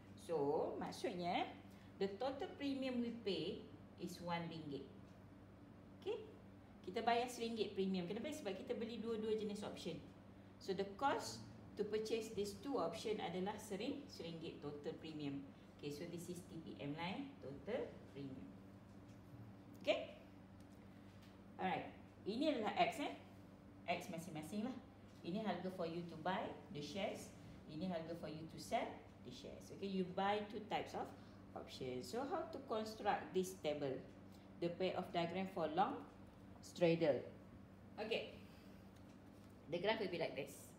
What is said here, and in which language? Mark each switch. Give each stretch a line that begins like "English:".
English: So, maksudnya the total premium we pay is RM1.
Malay: Okay. Kita bayar RM1 premium. Kenapa? Sebab kita beli dua-dua jenis option.
English: So, the cost to purchase these two option adalah RM1 total premium. Okay, so this is TPM line, total premium. Okay?
Malay: Alright, ini adalah X X masing-masing lah. Ini harga
English: for you to buy the shares. Ini harga for you to sell the shares. Okay, you buy two types of options. So, how to construct this table? The payoff diagram for long straddle. Okay. The graph will be like this.